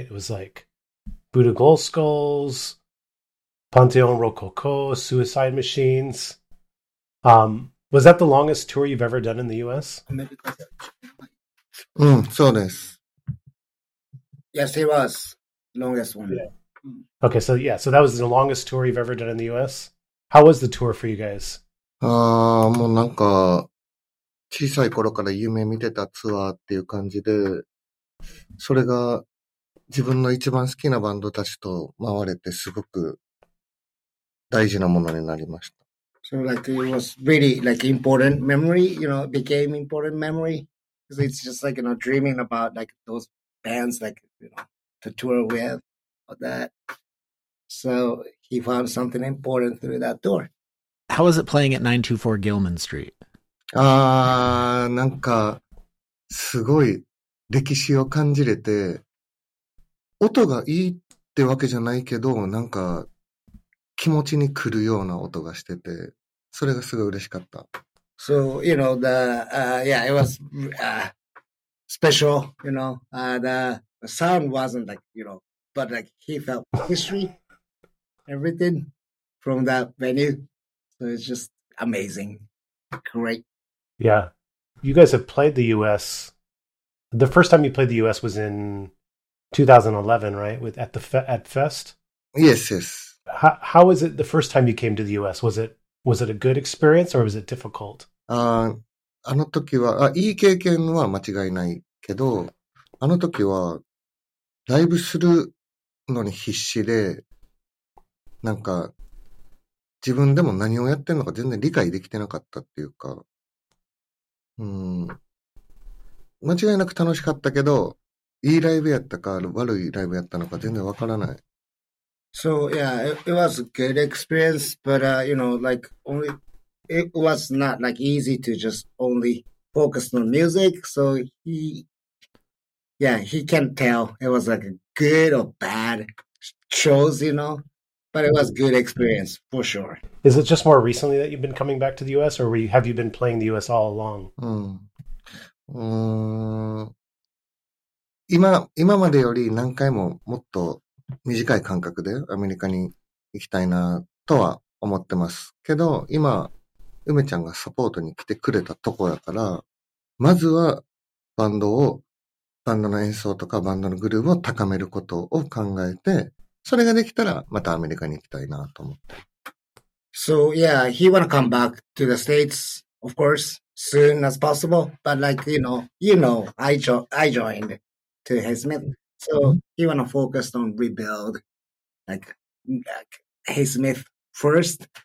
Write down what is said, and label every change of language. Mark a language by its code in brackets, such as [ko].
[en] It was like Buddha Gold Skulls, Pantheon Rococo, Suicide Machines. Was that the longest tour you've ever done in the U.S.? So this. Yes, it was the longest one. Yeah. Okay, so that was the longest tour you've ever done in the U.S.? How was the tour for you guys? [ja] もうなんか、小さい頃から夢見てたツアーっていう感じで、それが自分の一番好きなバンドたちと回れてすごく大事なものになりました。 [en] So like it was really like important memory, you know, became important memory. Cause it's just like, you know, dreaming about like those bands, like, you know, to tour with or that. So he found something important through that tour. How was it playing at 924 Gilman Street? [ja] なんかすごい歴史を感じれて、音がいいってわけじゃないけど、なんか聴気持ちに来るような音がしてて、それがすごい嬉しかった。 [en] So, you know, the, yeah, it was, special, you know, the sound wasn't like, you know, but like he felt history, everything from that venue. So it's just amazing. Great. Yeah. You guys have played the U.S. The first time you played the U.S. was in 2011, right? With at Fest? Yes, yes. How was it the first time you came to the U.S.? Was it a good experience or was it difficult? [ja] あの時は、いい経験は間違いないけど、あの時はライブするのに必死で、なんか自分でも何をやってるのか全然理解できてなかったっていうか、間違いなく楽しかったけど、いいライブやったか悪いライブやったのか全然わからない。 [en] So yeah, it was a good experience, but you know, like only it was not like easy to just only focus on music. So he can't tell it was like a good or bad shows, you know. But it was good experience for sure. Is it just more recently that you've been coming back to the U.S. or have you been playing the U.S. all along? Hmm. Hmm. [ja] 短い感覚でアメリカに行きたいなとは思ってますけど、今梅ちゃんがサポートに来てくれたとこやから、まずはバンドの演奏とかバンドのグルーヴを高めることを考えて、それができたらまたアメリカに行きたいなと思って。 [en] So yeah, he wanna come back to the States of course soon as possible, but like you know I joined to his mid. So he wanna focus on rebuild, like his myth first.